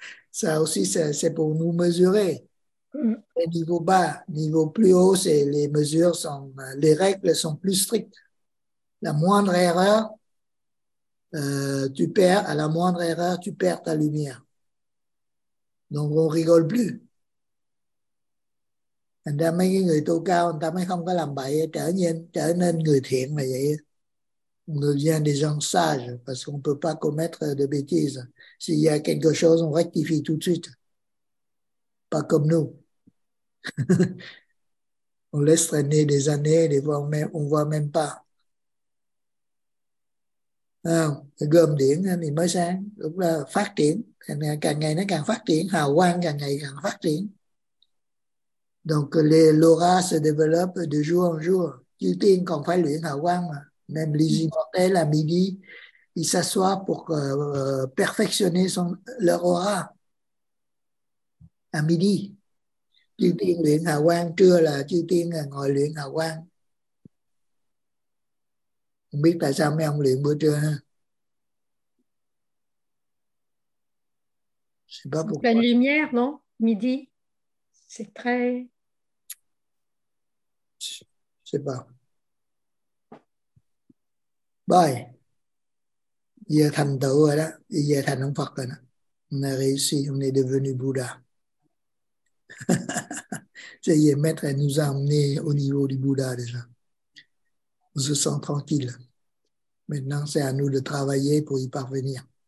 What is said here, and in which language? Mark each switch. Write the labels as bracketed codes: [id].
[fr] Ça aussi, c'est pour nous mesurer. Et niveau bas, niveau plus haut, c'est les mesures sont, les règles sont plus strictes. La moindre erreur, tu perds, à la moindre erreur, tu perds ta lumière. Donc, on rigole plus. [vi] Anh ta mấy người tu cao, anh ta mới không có làm bậy, trở nên người thiện mà vậy. [fr] On devient des gens sages parce qu'on ne peut pas commettre de bêtises. S'il y a quelque chose, on rectifie tout de suite. Pas comme nous. On laisse traîner des années, des fois on ne voit même pas. [vi] Gồm điện thì mới sáng, lúc là phát triển. Càng ngày nó càng phát triển, hào quang càng ngày càng phát triển. [fr] Donc l'aura se développe de jour en jour. [vi] Chư tiên còn phải luyện hào quang mà. [fr] Même les immortels à midi, ils s'assoient pour perfectionner son, leur aura à midi. [vi] Chư tiên luyện hào quang, trưa là chư tiên ngồi luyện hào quang. Không biết tại sao mấy ông luyện bữa trưa ha. [fr] C'est pas pourquoi. Pleine lumière, non? Midi. C'est très... Je sais pas. [vi] Bye. [fr] Il y a [vi] thành tựu rồi đó. [fr] Il y a [vi] thành ông Phật rồi đó. [fr] On a réussi, on est devenu Bouddha. Ça y est, maître, elle nous a emmenés au niveau du Bouddha déjà. On se sent tranquille. Maintenant, c'est à nous de travailler pour y parvenir.